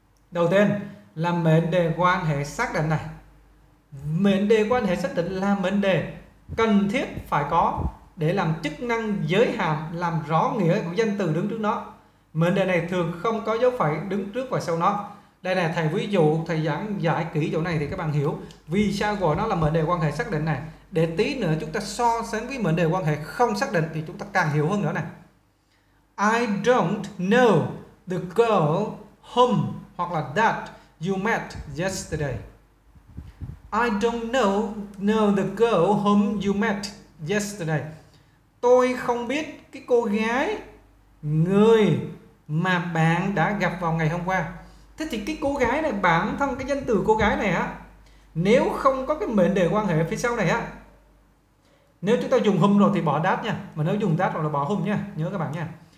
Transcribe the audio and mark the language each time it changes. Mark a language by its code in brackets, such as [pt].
[vi] Đầu tiên là mệnh đề quan hệ xác định này. Mệnh đề quan hệ xác định là mệnh đề cần thiết phải có để làm chức năng giới hạn, làm rõ nghĩa của danh từ đứng trước nó. Mệnh đề này thường không có dấu phẩy đứng trước và sau nó. Đây là thầy ví dụ, thầy giảng giải kỹ chỗ này thì các bạn hiểu vì sao gọi nó là mệnh đề quan hệ xác định này. Để tí nữa chúng ta so sánh với mệnh đề quan hệ không xác định thì chúng ta càng hiểu hơn nữa này. [en] I don't know the girl whom [vi] hoặc là [en] that you met yesterday. I don't know the girl whom you met yesterday. [vi] Tôi không biết cái cô gái người mà bạn đã gặp vào ngày hôm qua. Thế thì cái cô gái này, bản thân cái danh từ cô gái này á, nếu không có cái mệnh đề quan hệ phía sau này á, nếu chúng ta dùng whom rồi thì bỏ that nha, mà nếu dùng that rồi là bỏ whom nha, nhớ các bạn nha.